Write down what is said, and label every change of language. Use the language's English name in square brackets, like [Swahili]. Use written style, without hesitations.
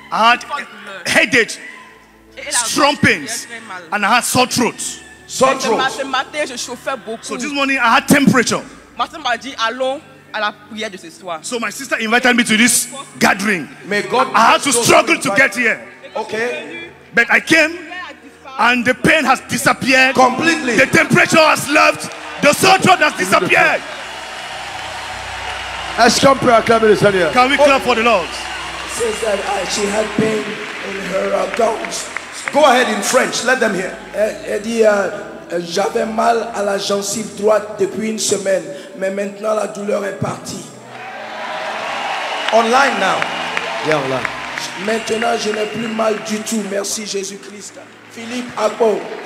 [English] I had headache, strong pains, and I had sore throat. Sore throat. [French] Ce matin, je chauffais beaucoup. [English] So this morning, I had temperature. [French] Ma sœur m'a dit, allons à la prière de ce soir. [English] So my sister invited me to this gathering. May God. I had to struggle to get here. Okay, but I came and the pain has disappeared completely. The temperature has left, the sore throat has disappeared. [French] Est-ce qu'on peut acclamer le Seigneur? [English] Can we clap for the Lord? Says that she had pain in her gums. Go ahead in French, let them hear. [French] Elle dit, j'avais mal à la gencive droite depuis une semaine, mais maintenant la douleur est partie. [English] Online now. Yeah, online. [French] Maintenant, je n'ai plus mal du tout. Merci Jésus-Christ. Philippe Apo.